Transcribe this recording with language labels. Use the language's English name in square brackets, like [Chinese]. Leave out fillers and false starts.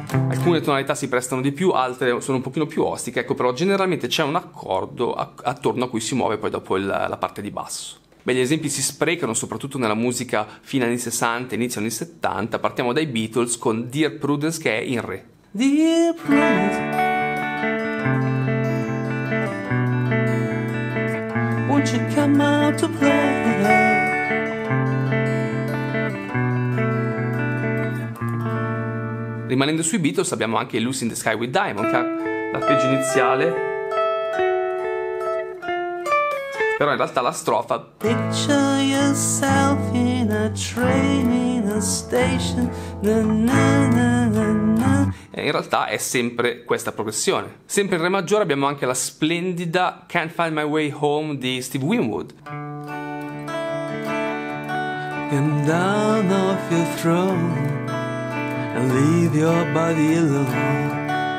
[Italian] Alcune tonalità si prestano di più, altre sono un pochino più ostiche, ecco, però generalmente c'è un accordo attorno a cui si muove poi dopo la parte di basso. Beh, gli esempi si sprecano soprattutto nella musica fine anni 60, inizio anni 70. Partiamo dai Beatles con Dear Prudence, che è in Re. [English] Dear Prudence, won't you come out to play? [Italian] Rimanendo sui Beatles abbiamo anche Lucy in the Sky with Diamond, che ha l'arpeggio iniziale. però in realtà la strofa [English] picture yourself in a train in a station na, na, na, na, na. [Italian] In realtà è sempre questa progressione. Sempre in re maggiore abbiamo anche la splendida Can't Find My Way Home di Steve Winwood. Come down off your throne and leave your body alone.